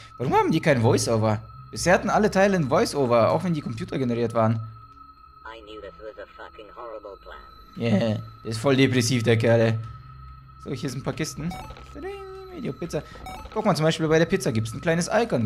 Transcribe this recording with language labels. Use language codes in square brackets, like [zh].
[de] Warum haben die kein Voiceover? Bisher hatten alle Teile ein Voiceover, auch wenn die Computer generiert waren. [en] I knew this was a fucking horrible plan. Yeah. [de] Der ist voll depressiv, der Kerl. So, hier sind ein paar Kisten. Video Pizza. Guck mal, zum Beispiel bei der Pizza gibt es ein kleines Icon.